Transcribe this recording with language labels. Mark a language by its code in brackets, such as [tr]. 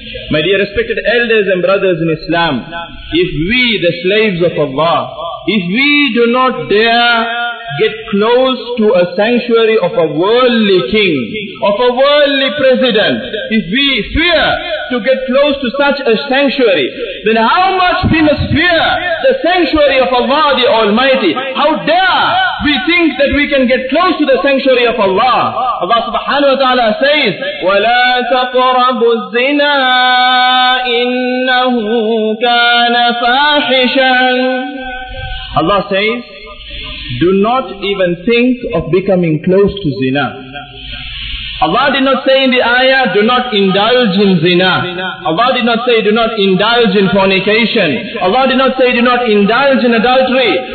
[en] My dear respected elders and brothers in Islam, if we, the slaves of Allah, if we do not dare get close to a sanctuary of a worldly king, of a worldly president, if we fear to get close to such a sanctuary, then how much we must fear the sanctuary of Allah the Almighty? How dare we think that we can get close to the sanctuary of Allah? Allah subhanahu wa ta'ala says, [ar] وَلَا تَقْرَبُوا الزِّنَا إِنَّهُ كَانَ فَاحِشًا. [en] Allah says, do not even think of becoming close to zina. Allah did not say in the ayah, do not indulge in zina. Allah did not say, do not indulge in fornication. Allah did not say, do not indulge in adultery.